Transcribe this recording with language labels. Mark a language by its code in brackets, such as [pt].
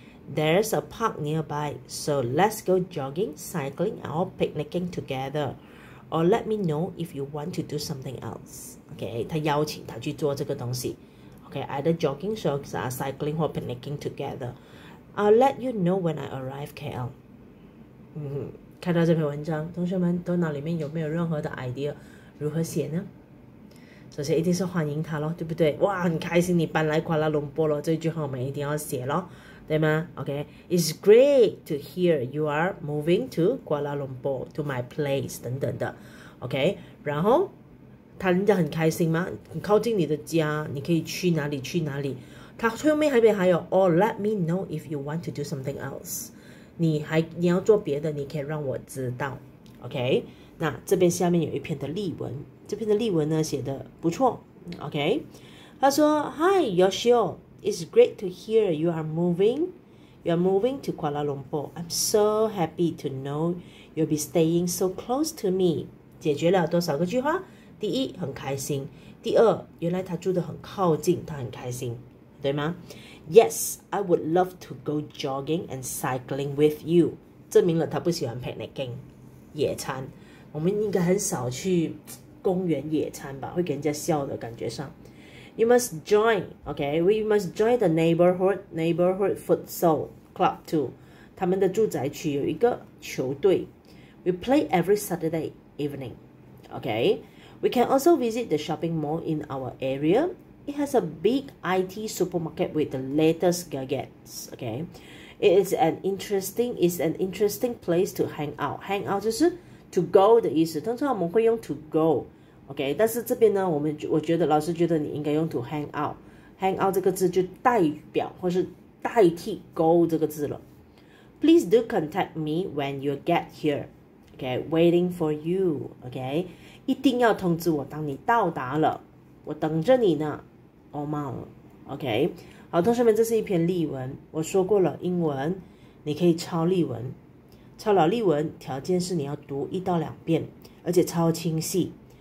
[en] There's a park nearby, so let's go jogging, cycling, or picnicking together. Or let me know if you want to do something else. Okay, [zh] 他邀请他去做这个东西。 [en] Okay, either jogging, so cycling, or picnicking together. I'll let you know when I arrive KL. 嗯哼。 [zh] 看到这篇文章，同学们头脑里面有没有任何的 idea 如何写呢？首先一定是欢迎他咯，对不对？哇，很开心你搬来 Kuala Lumpur 咯，这句话我们一定要写咯，对吗？ [en] OK, It's great to hear you are moving to Kuala Lumpur, to my place, [zh] 等等的。 OK, 然后他人家很开心吗？很靠近你的家，你可以去哪里去哪里。他后面还没还有 [en] ,Or let me know if you want to do something else. [zh] 你要做别的，你可以让我知道 ，OK？那这边下面有一篇的例文，这篇的例文呢写的不错 ，OK？他说 [en] ，Hi Yoshio, it's great to hear you are moving to Kuala Lumpur. I'm so happy to know you'll be staying so close to me. [zh] 解决了多少个句话？第一，很开心；第二，原来他住得很靠近，他很开心，对吗？ [en] Yes, I would love to go jogging and cycling with you. [zh] 证明了他不喜欢 picnicking, 野餐。我们应该很少去公园野餐吧，会给人家笑的感觉上。 [en] You must join, okay? We must join the neighborhood futsal club too. 他们的住宅区有一个球队。 We play every Saturday evening, okay? We can also visit the shopping mall in our area. It has a big IT supermarket with the latest gadgets. Okay, it's an interesting place to hang out. [zh] Hang out 就是 to go 的意思。通常我们会用 to go. Okay, 但是这边呢，我觉得老师觉得你应该用 to hang out. Hang out 这个字就代表或是代替 go 这个字了。 [en] Please do contact me when you get here. Okay, waiting for you. [zh] Okay, 一定要通知我当你到达了，我等着你呢。哦嘛 ，OK， 好，同学们，这是一篇例文。我说过了，英文你可以抄例文，抄老例文，条件是你要读一到两遍，而且超清晰。